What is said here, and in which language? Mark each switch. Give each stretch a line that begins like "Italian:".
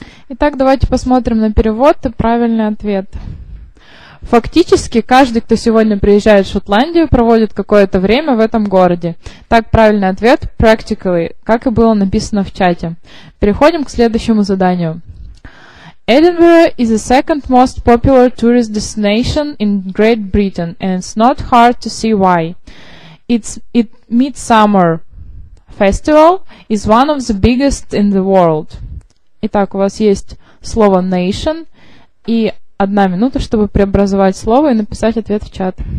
Russian: Итак, давайте посмотрим на перевод и правильный ответ. Фактически, каждый, кто сегодня приезжает в Шотландию, проводит какое-то время в этом городе. Так, правильный ответ – practically, как и было написано в чате. Переходим к следующему заданию.
English: Edinburgh is the second most popular tourist destination in Great Britain, and it's not hard to see why. It's Midsummer Festival is one of the biggest in the world.
Russian: Итак, у вас есть слово nation и одна минута, чтобы преобразовать слово и написать ответ в чат.